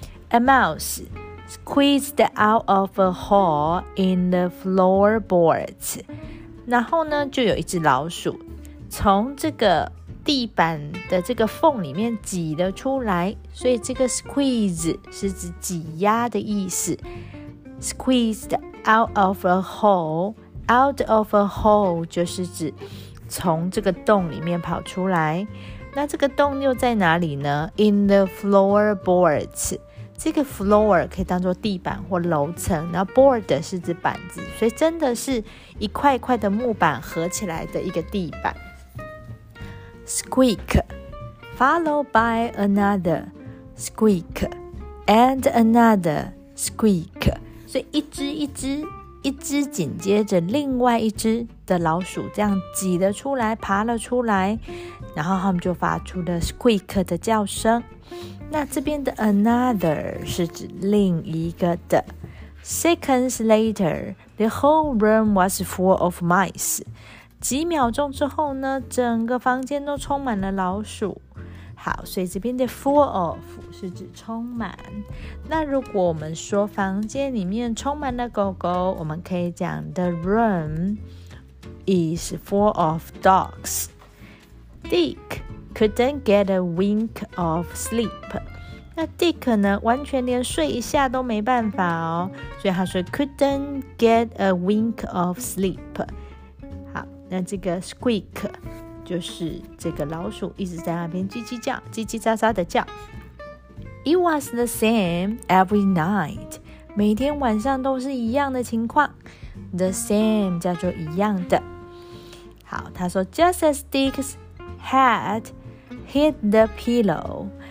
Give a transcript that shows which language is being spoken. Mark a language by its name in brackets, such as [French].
[English] A mouse squeezed out of a hole in the floorboards. [Chinese] 然后呢，就有一只老鼠从这个地板的这个缝里面挤了出来，所以这个 squeeze 是指挤压的意思。 [English] Squeezed out of a holeOut of a hole [Chinese] 就是指从这个洞里面跑出来。那这个洞又在哪里呢？ [English] In the floorboards. [Chinese] 这个 floor 可以当作地板或楼层，那 board 是指板子，所以真的是一块一块的木板合起来的一个地板。 [English] Squeak followed by another squeak and another squeak. [Chinese] 所以一只一只一只紧接着另外一只的老鼠这样挤了出来，爬了出来，然后他们就发出了 squeak 的叫声。那这边的 another 是指另一个的。 [English] Seconds later, the whole room was full of mice. [Chinese] 几秒钟之后呢，整个房间都充满了老鼠。好，所以这边的 full of 是指充满。那如果我们说房间里面充满了狗狗，我们可以讲 [English] The room is full of dogs. Dick couldn't get a wink of sleep. [Chinese] 那 Dick 呢，完全连睡一下都没办法哦，所以他说 [English] couldn't get a wink of sleep. [Chinese] 好，那这个 squeak就是这个老鼠一直在那边叽叽叫，叽叽喳喳的叫。 [English] It was the same every night. [Chinese] 每天晚上都是一样的情况。 The same 叫做一样的。好，他说 [English] Just as Dick's head hit the pillow.